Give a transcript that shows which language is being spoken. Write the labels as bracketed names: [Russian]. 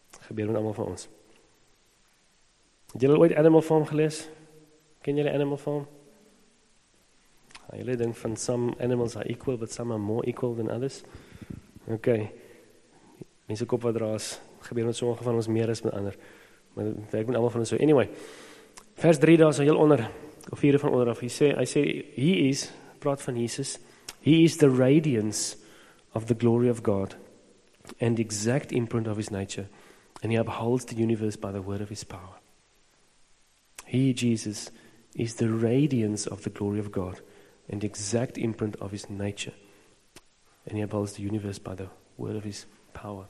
[Afrikaans] Gebeur met allemaal van ons. Het julle ooit Animal Farm gelees? Ken julle Animal Farm? Julle ding van [English] some animals are equal, but some are more equal than others. [Afrikaans] Ok, mense kop wat raas, gebeur met sommige van ons meer as met ander. Maar het werk met allemaal van ons so. Anyway, vers 3 daar is heel onder, of vierde van onderaf. Hy sê, [English] he is, [Afrikaans] praat van [English] Jesus, he is the radiance of the glory of God and the exact imprint of his nature and he upholds the universe by the word of his power. He, Jesus, is the radiance of the glory of God and the exact imprint of his nature and he upholds the universe by the word of his power.